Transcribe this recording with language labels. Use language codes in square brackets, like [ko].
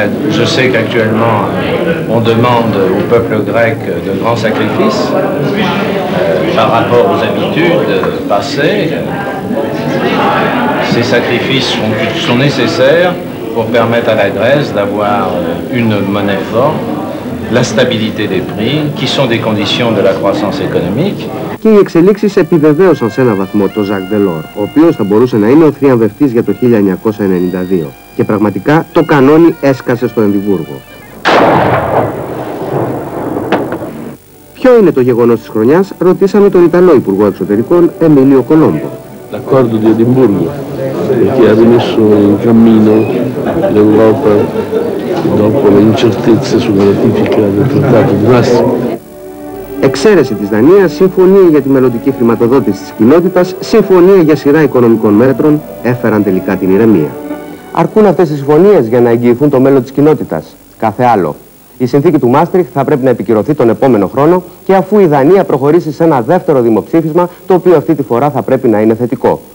[fr] Je sais qu'actuellement, on demande au peuple grec de grands sacrifices par rapport aux habitudes passées. Ces sacrifices sont nécessaires pour permettre à la Grèce d'avoir une monnaie forte, la stabilité des prix, qui sont des conditions de la croissance économique. [el] Και οι εξελίξεις επιβεβαίωσαν σε ένα βαθμό τον Ζακ Ντελόρ, ο οποίος θα μπορούσε να είναι ο θριαμβευτής για το 1992. Και πραγματικά το κανόνι έσκασε στο Εδιμβούργο. Ποιο είναι το γεγονός της χρονιάς, ρωτήσαμε τον Ιταλό Υπουργό Εξωτερικών, Εμίλιο Κολόμπο. [it] L'accordo di Edimburgo, che ha rimesso in cammino l'Europa dopo le incertezze sulla ratifica del Trattato di Maastricht. [el] Εξαίρεση της Δανίας, συμφωνία για τη μελλοντική χρηματοδότηση της κοινότητας, συμφωνία για σειρά οικονομικών μέτρων, έφεραν τελικά την ηρεμία. Αρκούν αυτές οι συμφωνίες για να εγγυηθούν το μέλλον της κοινότητας. Κάθε άλλο. Η συνθήκη του Μάστριχτ θα πρέπει να επικυρωθεί τον επόμενο χρόνο και αφού η Δανία προχωρήσει σε ένα δεύτερο δημοψήφισμα, το οποίο αυτή τη φορά θα πρέπει να είναι θετικό.